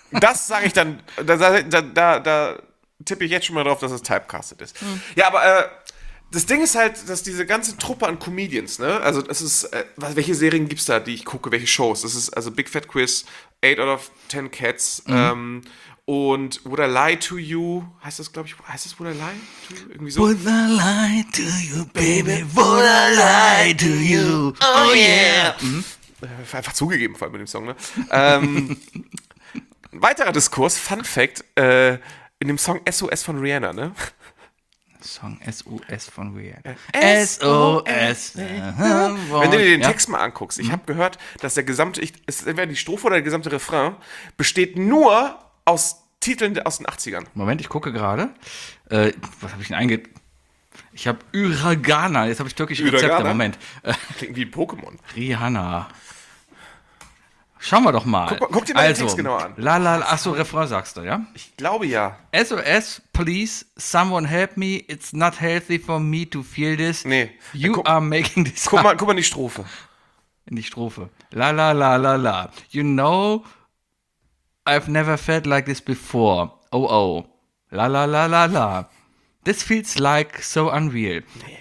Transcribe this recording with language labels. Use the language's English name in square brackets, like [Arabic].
[German] Das sage ich dann, da tippe ich jetzt schon mal drauf, dass es typecasted ist. Mhm. Ja, aber das Ding ist halt, dass diese ganze Truppe an Comedians, ne, also es ist, welche Serien gibt's da, die ich gucke, welche Shows? Das ist also Big Fat Quiz, 8 out of 10 Cats, mhm, und Would I Lie to You, heißt das, glaube ich, heißt das Would I Lie to You? Irgendwie so. [English] Would I lie to you, baby, would I lie to you, oh yeah. Mhm. [German] Einfach zugegeben, vor allem mit dem Song, ne. Ein weiterer Diskurs, Fun Fact, in dem Song SOS von Rihanna, ne? Song SOS von Rihanna. SOS. Wenn du dir den Text mal anguckst, ich habe gehört, dass der gesamte, es ist entweder die Strophe oder der gesamte Refrain, besteht nur aus Titeln aus den 80ern. Moment, ich gucke gerade. Was habe ich denn ich habe Uragana, jetzt habe ich türkische Rezepte, Moment. Klingt wie ein Pokémon. Rihanna. Schauen wir doch mal. Guck dir mal den Text genau an. Achso, Refrain sagst du, ja? Ich glaube ja. [English] SOS, please, someone help me. It's not healthy for me to feel this. [German] Nee. [English] You are making this. [German] Guck mal in die Strophe. In die Strophe. La la la la la. [English] You know, I've never felt like this before. Oh oh. La la la la la. This feels like so unreal. Nee.